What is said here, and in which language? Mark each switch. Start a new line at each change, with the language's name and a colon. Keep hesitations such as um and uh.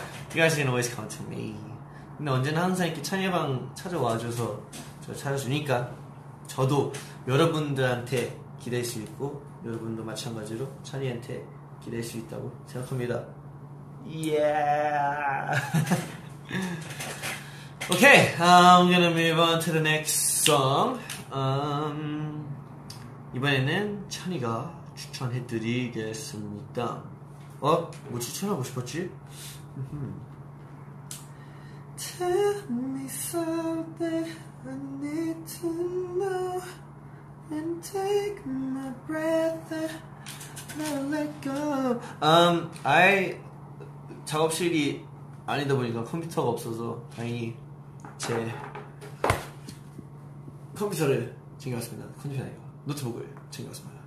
English: You guys can always count on me
Korean: 근데 언제나 항상 이렇게 찬이 방 찾아와줘서 저 찾아주니까 저도 여러분들한테 기댈 수 있고 여러분도 마찬가지로 찬이한테 기댈 수 있다고 생각합니다.
English: Yeah. okay, I'm gonna move on to the next song.
Korean: Um, 이번에는 찬이가 추천해드리겠습니다. 어, 뭐 추천하고 싶었지?
English: Tell me something I need to know and take my breath and not let go.
Korean: Um, I 작업실이 아니다 보니까 컴퓨터가 없어서 다행히 제 컴퓨터를 챙겨왔습니다. 컴퓨터 아니고 노트북을 챙겨왔습니다.